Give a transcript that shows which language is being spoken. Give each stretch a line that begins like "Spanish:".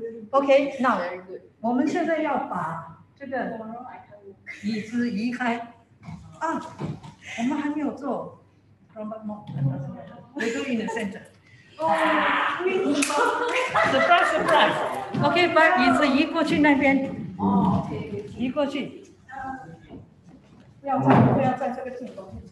Chinese: OK， 那我们现在要把这个椅子移开啊，我们还没有做。
English: We're doing in the center. Surprise, surprise.
Chinese: OK， 把椅子移过去那边。移过去。不要站这个镜头。